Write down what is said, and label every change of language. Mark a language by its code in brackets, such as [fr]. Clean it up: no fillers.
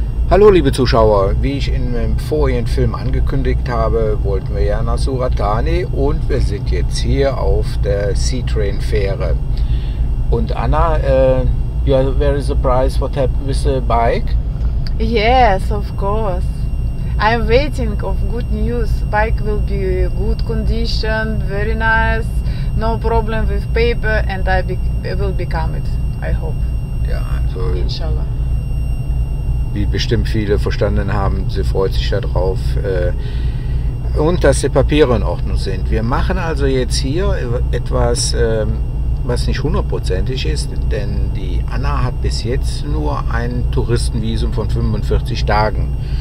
[de] Hallo liebe Zuschauer, wie ich in dem vorigen Film angekündigt habe, wollten wir ja nach Surat Thani und wir sind jetzt hier auf der SeaTrain Fähre. [en] Und Anna, you are very surprised what happened with the bike? Yes, of course. I'm waiting of good news. Bike will be good condition, very nice, no problem with paper and I will become it, I hope. [de] Ja, so [ar] inshallah. [de] Wie bestimmt viele verstanden haben, sie freut sich darauf und dass die Papiere in Ordnung sind. Wir machen also jetzt hier etwas, was nicht hundertprozentig ist, denn die Anna hat bis jetzt nur ein Touristenvisum von 45 Tagen.